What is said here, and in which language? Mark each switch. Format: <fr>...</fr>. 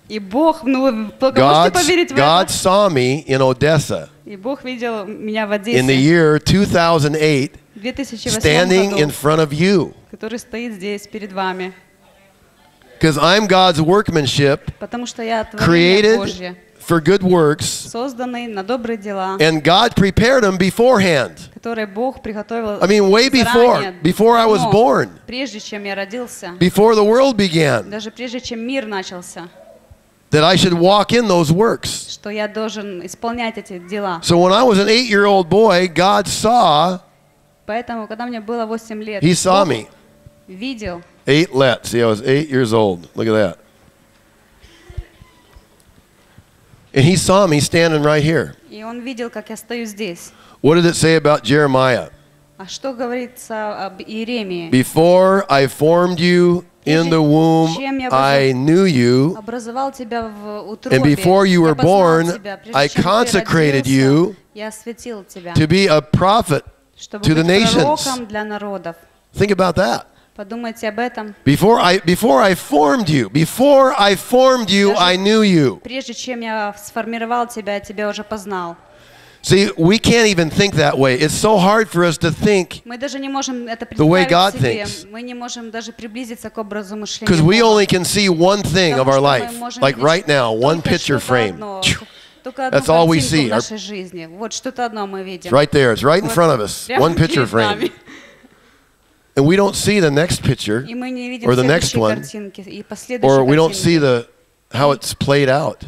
<ru>И Бог, ну, вы можете поверить в это?</ru> <en>God saw me in Odessa.</en> <ru>И Бог видел меня в Одессе.</ru> <en>In the year 2008, standing in front of you.</en> <ru>Который стоит здесь перед вами.</ru> <en>Because I'm God's workmanship, created for good works, and God prepared them beforehand. I mean, way before I was born, before the world began, that I should walk in those works. So when I was an 8-year-old boy, God saw, He saw me. See, I was 8 years old. Look at that. And he saw me standing right here.</en> <ru>И он видел, как я стою здесь.</ru> <en>What did it say about Jeremiah?</en> <ru>А что говорится об Иеремии?</ru> <en>Before I formed you in the womb, I knew you.</en> <ru>Образовал тебя в утробе.</ru> <en>And before you were born, I consecrated you to be a prophet to the nations. Think about that.</en> <ru>Подумайте об этом.</ru> <en>Before I formed you, I knew you.</en> <ru>Прежде чем я сформировал тебя, я тебя уже познал.</ru> <en>See, we can't even think that way. It's so hard for us to think the way God thinks.</en> <ru>Мы не можем даже приблизиться к образу мышления Бога.</ru> <en>Because we only can see one thing of our life, like right now, one picture frame. That's all we see.</en> <ru>Вот что-то одно мы видим.</ru> <en>Right there, it's right in front of us, one picture frame. And we don't see the next picture, or the next one, or we don't see how it's played out.</en>